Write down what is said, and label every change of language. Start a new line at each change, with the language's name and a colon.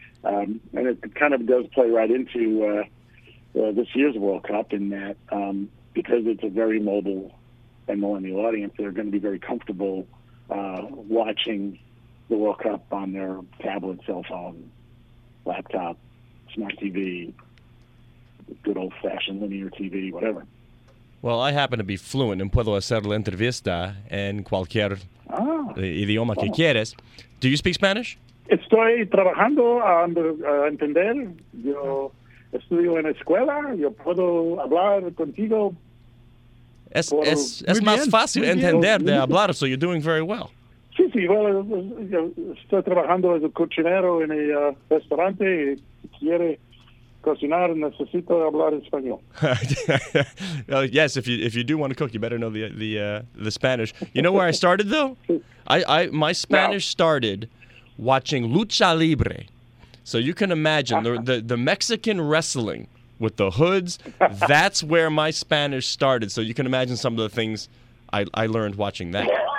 English: And it kind of does play right into this year's World Cup in that because it's a very mobile and millennial audience, they're going to be very comfortable watching the World Cup on their tablet, cell phone, laptop, smart TV, good old-fashioned linear TV, whatever. Well, I happen to be fluent and
Spanish: puedo hacer la entrevista en cualquier idioma que quieras.
English: Do you speak Spanish?
Spanish: Estoy trabajando a entender. Yo estudio en escuela. Yo puedo hablar contigo. Es más fácil entender de hablar,
English: so you're doing very well.
Spanish: Sí, sí. Well, yo estoy trabajando
English: as a
Spanish: cocinero en el restaurante. Quiere cocinar, necesito hablar español.
English: Well, yes, if you do want to cook, you better know the Spanish. You know where I started, though? My Spanish started watching Lucha Libre. So you can imagine the Mexican wrestling with the hoods. That's where my Spanish started. So you can imagine some of the things I learned watching that.